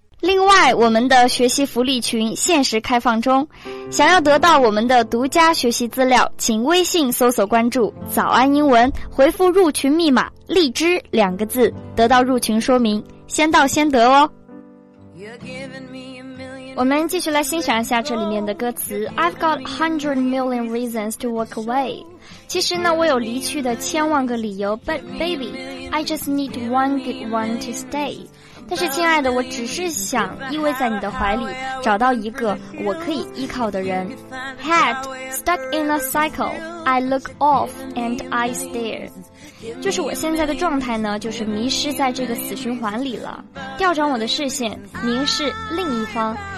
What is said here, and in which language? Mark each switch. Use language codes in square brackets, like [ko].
[zh] 另外我们的学习福利群限时开放中，想要得到我们的独家学习资料，请微信搜索关注早安英文，回复入群密码荔枝两个字，得到入群说明，先到先得哦。我们继续来欣赏一下这里面的歌词。 [en] I've got 100 million reasons to walk away， [zh] 其实呢我有离去的千万个理由。 [en] But baby I just need one good one to stay， [zh] 但是亲爱的，我只是想依偎在你的怀里，找到一个我可以依靠的人。 [en] Head stuck in a cycle I look off and I stare， [zh] 就是我现在的状态呢，就是迷失在这个死循环里了，调转我的视线凝视另一方。